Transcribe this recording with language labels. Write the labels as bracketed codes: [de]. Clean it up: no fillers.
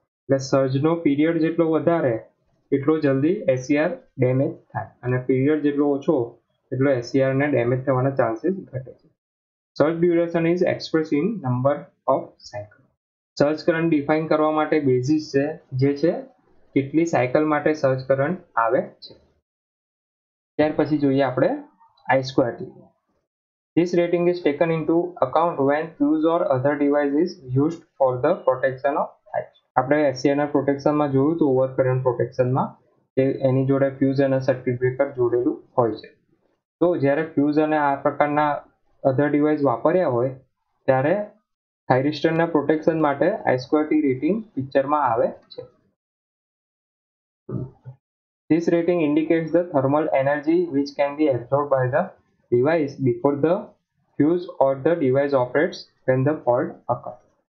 [gu] એટલે સર્જનો પીરિયડ જેટલો વધારે એટલો જલ્દી SCR ડેમેજ થાય, અને પીરિયડ જેટલો ઓછો એટલો SCRને ડેમેજ થવાના ચાન્સીસ ઘટે છે. [en] Surge duration is express in number of cycle. [gu] Surge current define કરવા માટે બેઝિસ છે જે છે કેટલી સાયકલ માટે સર્જ કરંટ આવે છે. ત્યાર પછી જોઈએ આપણે I²T. [en] This rating is taken into account when fuse or other device is used for the protection of thatch. [gu] આપણે SCR પ્રોટેક્શનમાં જોયું તો ઓવર કરંટ પ્રોટેક્શનમાં કે એની જોડે ફ્યુઝ અને સર્કિટ બ્રેકર જોડેલું હોય છે. તો જ્યારે ફ્યુઝ અને આ પ્રકારના અધર ડિવાઇસ વાપર્યા હોય ત્યારે થાઇરિસ્ટરના પ્રોટેક્શન માટે I²T રેટિંગ પિક્ચરમાં આવે છે. [en] This rating indicates the thermal energy which can be absorbed by the device before the fuse or the device operates when the fault occurs.